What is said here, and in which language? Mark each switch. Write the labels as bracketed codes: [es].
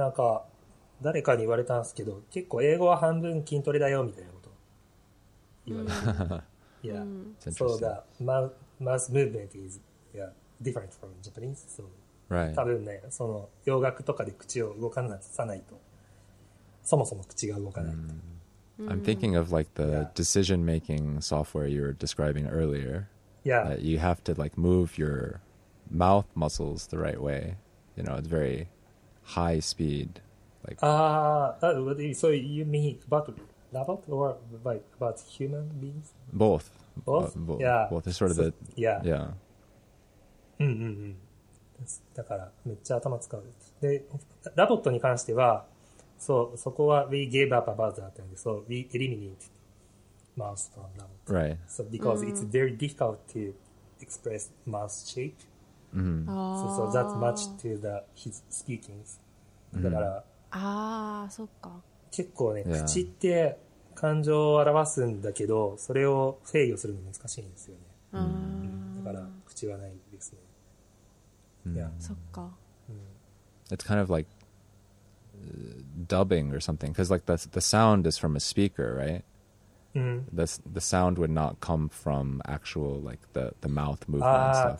[ja] なんか、誰かに言われたんですけど、結構英語は半分筋トレだよみたいなこと言われて。いや、そうだ。 [en] マウスムーブメント is different from Japanese. So、 right. [ja] 多分ね、その洋楽とかで口を動かなさないと、そもそも口が動かないと。 [en] I'm thinking of like the decision making software you were describing earlier. Yeah. That you have to like move your mouth muscles the right way. You know, it's very high speed. So you mean about robot or about human beings? Both. Yeah. Both is sort of the... Yeah. Yeah. [ja] うんうんうん。だから、めっちゃ頭使う。で、ラボットに関しては、そう、そこは、 [en] we gave up about that, and so we eliminate mouse from ラボット。 Right. So, because it's very difficult to express mouse shape.、 Mm-hmm. So, so that's much to the, his speaking. [ja] だから、 mm-hmm. ああ、そっか。結構ね、口って、感情を表すんだけど、それを制御するの難しいんですよね。だから口はないですね。そっか。 [en] It's kind of like dubbing or something, because like the sound is from a speaker, right? The sound would not come from actual like the mouth movement and stuff.